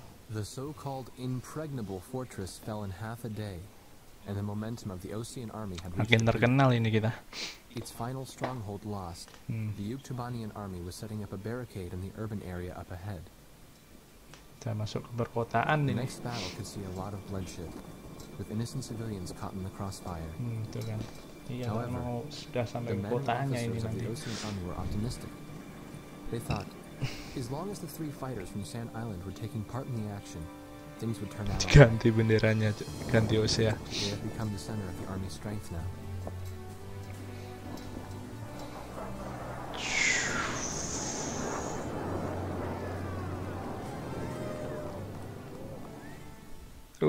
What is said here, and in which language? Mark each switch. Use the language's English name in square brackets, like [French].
[English] The so-called impregnable fortress fell in half a day, and the momentum of the Ocean army had reached. [Indonesian] Makin terkenal ini kita. [English] Its final stronghold lost. The Yuktobanian army was setting up a barricade in the urban area up ahead. [Indonesian] Kita masuk ke perkotaan ini. [English] The next battle could see a lot of bloodshed, with innocent civilians caught in the crossfire. [Indonesian] Itu kan. Iya, mau sudah sampai ke kotanya ini nanti. [English] Were optimistic. They thought, as long as the three fighters from Sand Island were taking part in the action, things would turn out. [Indonesian] Ganti benderanya, ganti Osea. [English] They have become the center of the army's strength now.